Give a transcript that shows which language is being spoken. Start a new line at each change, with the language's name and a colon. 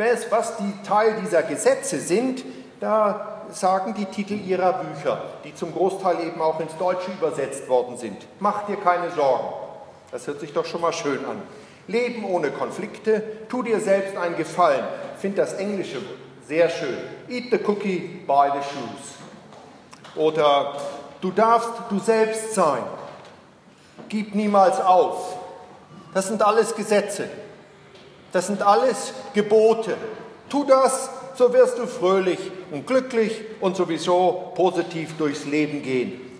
German: Was die Teil dieser Gesetze sind, da sagen die Titel ihrer Bücher, die zum Großteil eben auch ins Deutsche übersetzt worden sind. Mach dir keine Sorgen. Das hört sich doch schon mal schön an. Leben ohne Konflikte, tu dir selbst einen Gefallen. Ich finde das Englische sehr schön.
English: Eat the cookie, buy the shoes.
German: Oder du darfst du selbst sein. Gib niemals auf. Das sind alles Gesetze. Das sind alles Gebote. Tu das, so wirst du fröhlich und glücklich und sowieso positiv durchs Leben gehen.